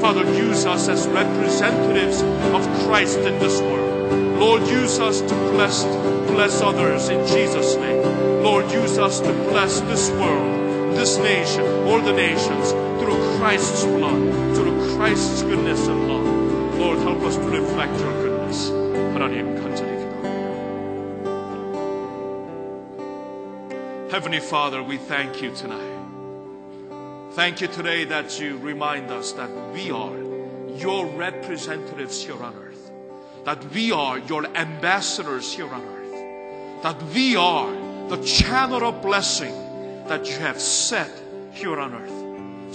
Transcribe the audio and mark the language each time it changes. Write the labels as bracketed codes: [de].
[en] Father, use us as representatives of Christ in this world. Lord, use us to bless others in Jesus' name. Lord, use us to bless this world, this nation, all the nations, through Christ's blood, through Christ's goodness and love. Lord, help us to reflect your goodness. [ko] 하나님, 간절히 기도합니다. [en] Heavenly Father, we thank you tonight. Thank you today that you remind us that we are your representatives here on earth, that we are your ambassadors here on earth, that we are the channel of blessing that you have set here on earth.